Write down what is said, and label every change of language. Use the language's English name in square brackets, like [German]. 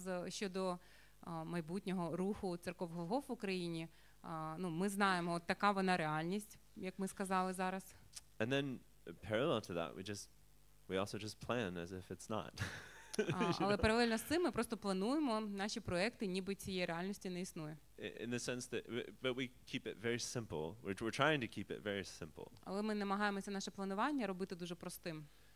[Ukrainian] Щодо майбутнього руху церковного в Україні, ну, ми знаємо, от така вона реальність, як ми сказали зараз. [English] And then parallel to that, we also just plan as if it's not. [Ukrainian] Але паралельно з цим ми просто плануємо наші проекти, ніби цієї реальності не існує. [English] In the sense that we keep it very simple. We're trying to keep it very simple. [Ukrainian] Але ми намагаємося наше планування робити дуже простим.